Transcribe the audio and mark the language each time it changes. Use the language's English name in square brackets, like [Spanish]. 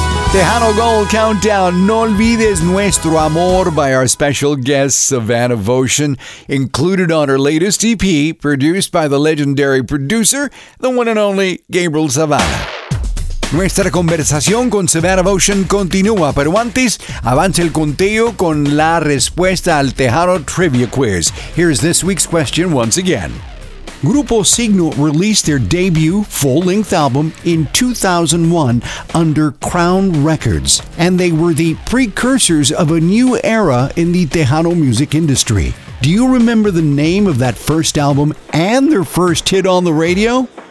[English] Tejano Gold Countdown, No Olvides Nuestro Amor by our special guest, Savannah Voshin, included on her latest EP, produced by the legendary producer, the one and only Gabriel Zavala. [Spanish] Nuestra conversación con Savannah Voshin continúa, pero antes, avance el conteo con la respuesta al Tejano Trivia Quiz. [English] Here's this week's question once again. Grupo Signo released their debut full-length album in 2001 under Crown Records, and they were the precursors of a new era in the Tejano music industry. Do you remember the name of that first album and their first hit on the radio?